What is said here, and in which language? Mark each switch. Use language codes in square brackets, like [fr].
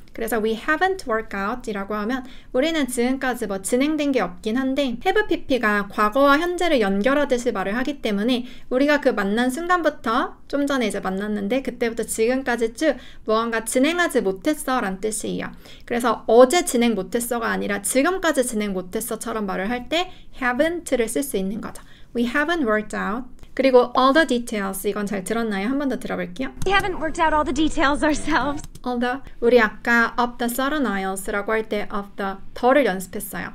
[ko] 그래서 [en] we haven't worked out [ko] 이라고 하면 우리는 지금까지 뭐 진행된 게 없긴 한데 have PP가 과거와 현재를 연결하듯이 말을 하기 때문에 우리가 그 만난 순간부터 좀 전에 이제 만났는데 그때부터 지금까지 쭉 무언가 진행하지 못했어 란 뜻이에요. 그래서 어제 진행 못했어가 아니라 지금까지 진행 못했어처럼 말을 할 때 haven't를 쓸 수 있는 거죠. [en] We haven't worked out. [ko] 그리고 [en] all the details [ko] 이건 잘 들었나요? 한 번 더 들어볼게요. [en] We haven't worked out all the details ourselves. [ko] Although 우리 아까 [en] of the southern isles [ko] 라고 할 때 of the 더를 연습했어요.